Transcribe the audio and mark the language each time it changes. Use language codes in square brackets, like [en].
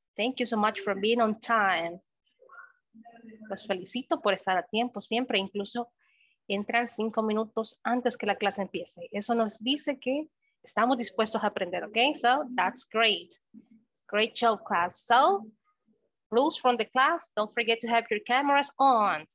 [en] Thank you so much for being on time. [es] Los felicito por estar a tiempo siempre, incluso entran 5 minutos antes que la clase empiece. Eso nos dice que estamos dispuestos a aprender, okay? [en] So that's great. Great show, class. So, rules from the class, don't forget to have your cameras on.